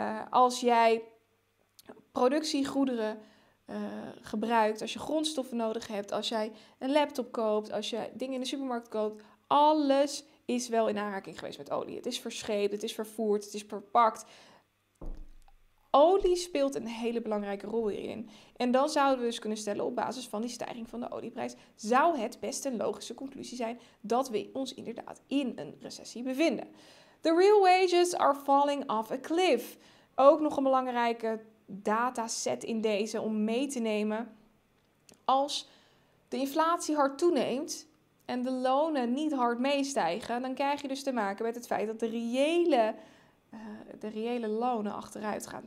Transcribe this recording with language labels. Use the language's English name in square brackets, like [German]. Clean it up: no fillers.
[Dutch] Als jij productiegoederen gebruikt, als je grondstoffen nodig hebt, als jij een laptop koopt, als je dingen in de supermarkt koopt, alles is wel in aanraking geweest met olie. Het is verscheept, het is vervoerd, het is verpakt. Olie speelt een hele belangrijke rol hierin. En dan zouden we dus kunnen stellen, op basis van die stijging van de olieprijs, zou het best een logische conclusie zijn dat we ons inderdaad in een recessie bevinden. [English] The real wages are falling off a cliff. [Dutch] Ook nog een belangrijke dataset in deze om mee te nemen. Als de inflatie hard toeneemt en de lonen niet hard meestijgen, dan krijg je dus te maken met het feit dat de reële lonen achteruit gaan.